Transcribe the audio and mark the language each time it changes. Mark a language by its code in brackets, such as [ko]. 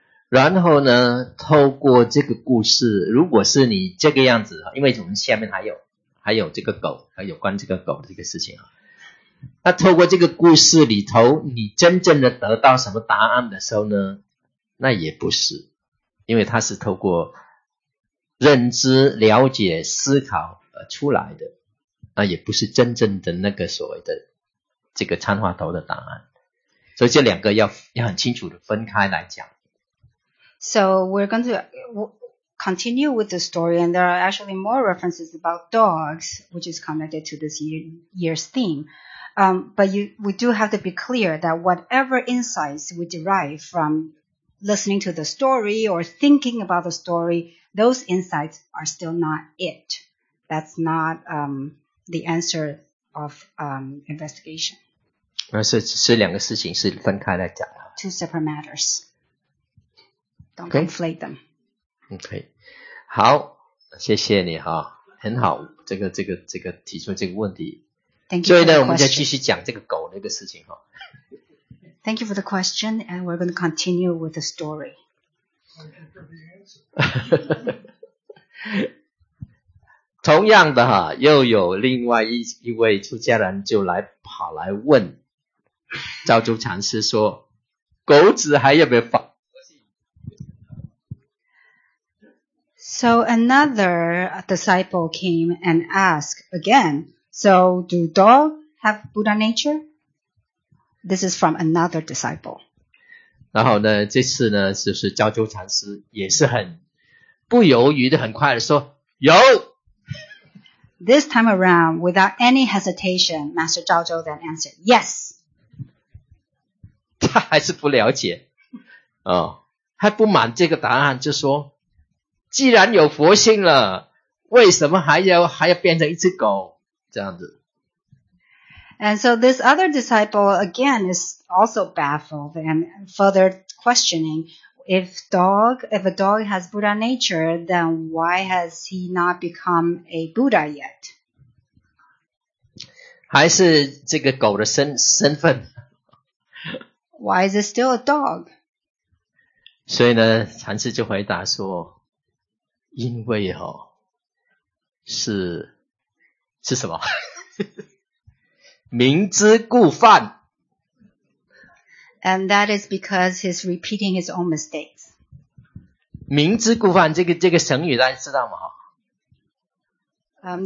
[zh] 然后呢透过这个故事，如果是你这个样子，因为我们下面还有这个狗，还有关这个狗的这个事情，那透过这个故事里头你真正的得到什么答案的时候呢，那也不是，因为它是透过认知了解思考而出来的，那也不是真正的那个所谓的这个参话头的答案，所以这两个要很清楚的分开来讲。 [en] So we're going to continue with the story, and there are actually more references about dogs, which is connected to this year's theme. But we do have to be clear that whatever insights we derive from listening to the story or thinking about the story, those insights are still not it. That's not the answer of investigation. [zh] 是两个事情是分开来讲的。 [en] Two separate matters. Don't conflate them. Okay. [zh] 好，谢谢你哈，很好，这个提出这个问题。 [en] Thank you. [zh] 所以呢，我们再继续讲这个狗那个事情哈。 [en] Thank you for the question, and we're going to continue with the story. Thank you for the answer. [zh] 同样的哈，又有另外一位出家人就来跑来问昭珠禅师说，狗子还有没有法？ [en] So another disciple came and asked again, so do dogs have Buddha nature? This is from another disciple. [zh] 然后呢这次呢就是昭珠禅师也是很不犹豫的很快的说有。 [en] This time around, without any hesitation, Master Zhao Zhou then answered, yes. [zh] 他还是不了解。哦，还不满这个答案就说，既然有佛性了，为什么还要变成一只狗这样子。 [en] And so this other disciple again is also baffled and further questioning, if a dog has Buddha nature, then why has he not become a Buddha yet? [zh] 还是这个狗的身份。 [en] Why is it still a dog? [zh] 所以呢禅师就回答说，因为哦，是什么？明知故犯。 [en] And that is because he's repeating his own mistakes. [zh] 明知故犯这个成语大家知道吗？